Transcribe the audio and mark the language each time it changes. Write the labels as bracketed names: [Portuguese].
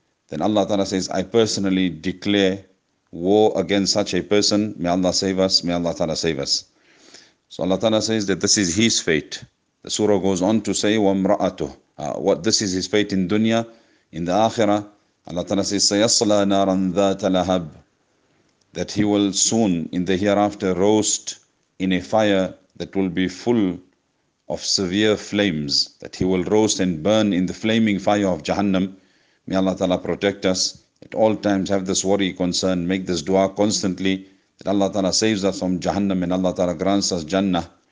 [English] Then Allah Ta'ala says, I personally declare war against such a person. May Allah save us. May Allah Ta'ala save us. So Allah Ta'ala says that this is his fate. The surah goes on to say, [Arabic] وَمْرَأَتُهُ. [English] What this is his fate in dunya, in the akhirah. Allah Ta'ala says, [Arabic] سَيَصْلَى نَارًا ذَاتَ لَهَبٍ. [English] That he will soon, in the hereafter, roast in a fire that will be full of severe flames, that he will roast and burn in the flaming fire of Jahannam. May Allah Ta'ala protect us. At all times have this worry, concern, make this dua constantly, that Allah Ta'ala saves us from Jahannam and Allah Ta'ala grants us Jannah.